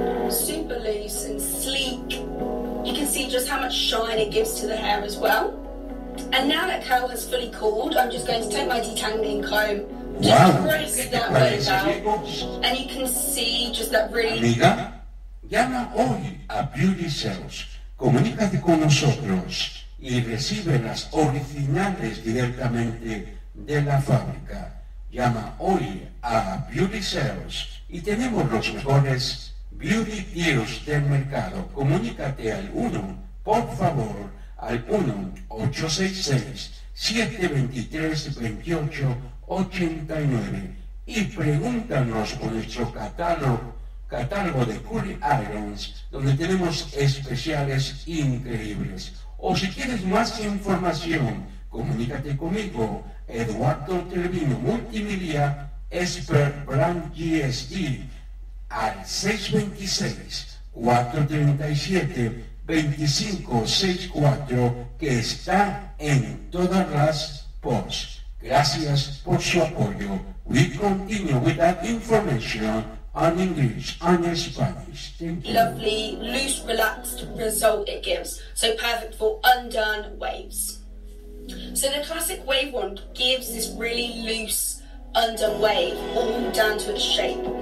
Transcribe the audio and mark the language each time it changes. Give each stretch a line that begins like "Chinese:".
English: Super loose and sleek. You can see just how much shine it gives to the hair as well. And now that curl has fully cooled, I'm just going to take my detangling comb, just brace that wave out. And you can see just that really...
Spanish: Amiga, llama hoy a Beauty Cells. Comunícate con nosotros y recibe las originales directamente de la fábrica. Llama hoy a Beauty Cells y tenemos los mejores beauty peels del mercado. Comunícate al 1, por favor, al 1-866-723-2889 y pregúntanos por nuestro catálogo de Curly Irons, donde tenemos especiales increíbles. O si quieres más información, comunícate conmigo, Eduardo Trevino, Multimedia Expert Brand GSD, al 626-437-2564, que está en todas las posts. Gracias por su apoyo.
English: We continue with that information on English and Spanish. Thank you. Lovely, loose, relaxed result it gives. So perfect for undone waves. So the classic wave wand gives this really loose undone wave all down to its shape.